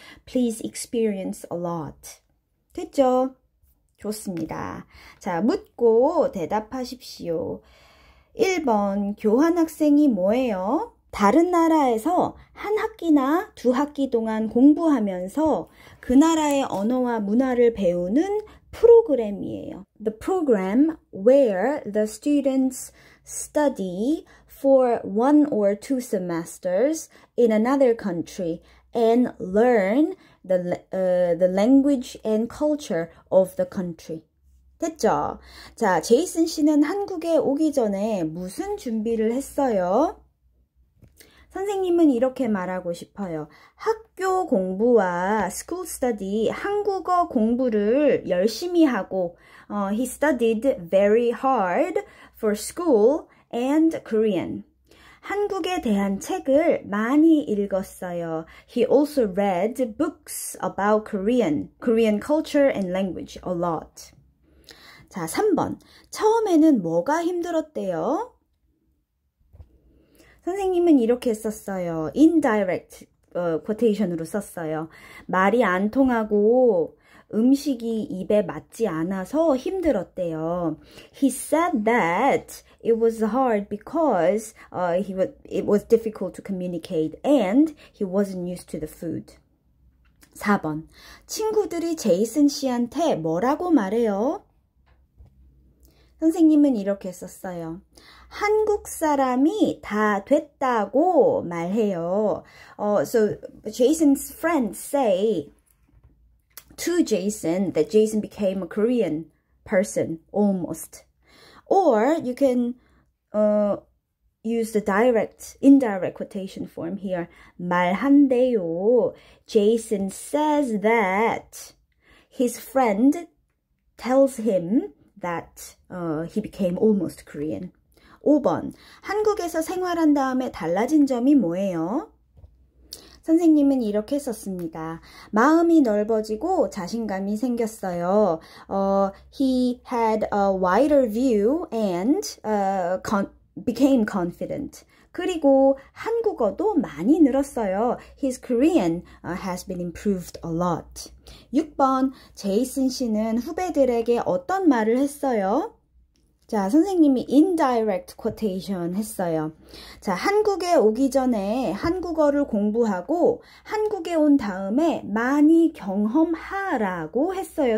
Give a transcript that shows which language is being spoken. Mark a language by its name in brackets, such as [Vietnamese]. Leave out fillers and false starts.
[English] Please experience a lot. [Korean] 됐죠? 좋습니다. 자, 묻고 대답하십시오. 1번, 교환학생이 뭐예요? 다른 나라에서 한 학기나 두 학기 동안 공부하면서 그 나라의 언어와 문화를 배우는 프로그램이에요. [English] The program where the students study for one or two semesters in another country and learn the language and culture of the country. [Korean] 됐죠? 자, 제이슨 씨는 한국에 오기 전에 무슨 준비를 했어요? 선생님은 이렇게 말하고 싶어요. 학교 공부와 [English] school study, [Korean] 한국어 공부를 열심히 하고, [English] he studied very hard for school and Korean. [Korean] 한국에 대한 책을 많이 읽었어요. [English] He also read books about Korean culture and language a lot. [Korean] 자, 3번. 처음에는 뭐가 힘들었대요? 선생님은 이렇게 썼어요. Indirect quotation으로 썼어요. 말이 안 통하고 음식이 입에 맞지 않아서 힘들었대요. [English] He said that it was hard because it was difficult to communicate and he wasn't used to the food. [Korean] 4번. 친구들이 제이슨 씨한테 뭐라고 말해요? 선생님은 이렇게 썼어요. 한국 사람이 다 됐다고 말해요. [English] So Jason's friends say to Jason that Jason became a Korean person almost. Or you can use the indirect quotation form here. [Korean] 말한대요. [English] Jason says that his friend tells him that he became almost Korean. [Korean] 5번. 한국에서 생활한 다음에 달라진 점이 뭐예요? 선생님은 이렇게 썼습니다. 마음이 넓어지고 자신감이 생겼어요. [English] He had a wider view and became confident. [Korean] 그리고 한국어도 많이 늘었어요. [English] His Korean has been improved a lot. [Korean] 6번, 제이슨 씨는 후배들에게 어떤 말을 했어요? 자, 선생님이 indirect quotation 했어요. 자, 한국에 오기 전에 한국어를 공부하고 한국에 온 다음에 많이 경험하라고 했어요.